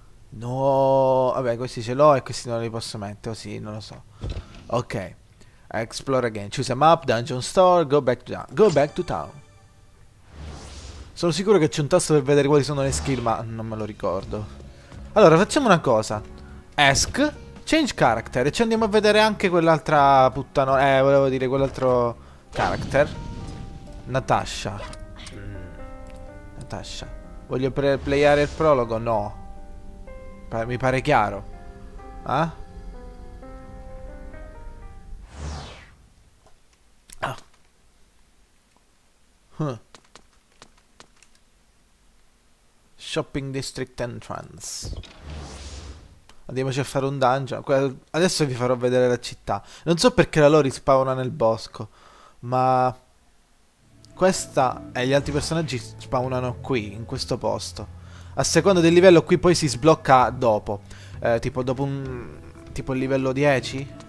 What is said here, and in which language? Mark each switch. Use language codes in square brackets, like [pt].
[it] No, vabbè, questi ce l'ho e questi non li posso mettere, o sì, non lo so. [en] Ok, explore again, choose a map, dungeon store, go back to town. [it] Sono sicuro che c'è un tasto per vedere quali sono le skill, ma non me lo ricordo. Allora, facciamo una cosa. [en] Ask, change character, [it] e ci andiamo a vedere anche quell'altra puttana. Volevo dire, quell'altro character. Natasha. Voglio playare il prologo? No. Mi pare chiaro. Ah? [en] Shopping district entrance. [it] Andiamoci a fare un dungeon. Adesso vi farò vedere la città. Non so perché la Lori spawna nel bosco, ma questa e gli altri personaggi spawnano qui, in questo posto. A seconda del livello qui poi si sblocca dopo. Tipo il livello 10?